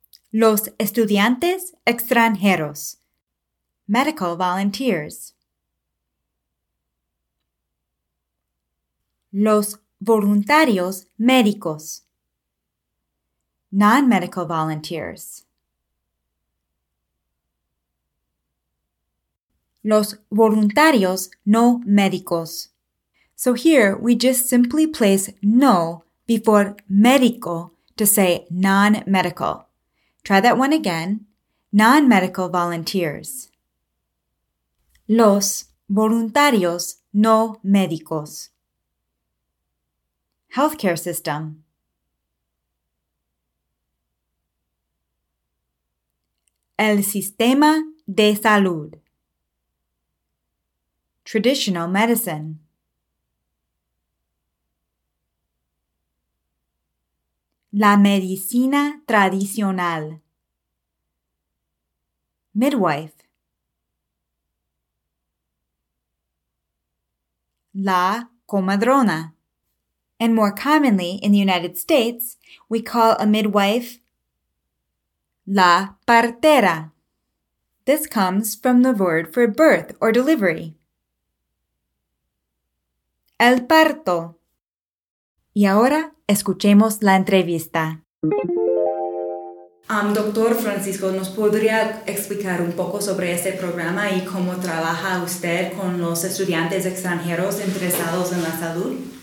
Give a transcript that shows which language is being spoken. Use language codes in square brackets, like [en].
[es] Los estudiantes extranjeros. [en] Medical volunteers. [es] Los voluntarios médicos. [en] Non-medical volunteers. [es] Los voluntarios no médicos. [en] So here we just simply place no before médico to say non-medical. Try that one again. Non-medical volunteers. [es] Los voluntarios no médicos. [en] Healthcare system. [es] El sistema de salud. [en] Traditional medicine. [es] La medicina tradicional. [en] Midwife. [es] La comadrona. [en] And more commonly in the United States, we call a midwife la partera. This comes from the word for birth or delivery. [es] El parto. Y ahora escuchemos la entrevista. Doctor Francisco, ¿nos podría explicar un poco sobre este programa y cómo trabaja usted con los estudiantes extranjeros interesados en la salud?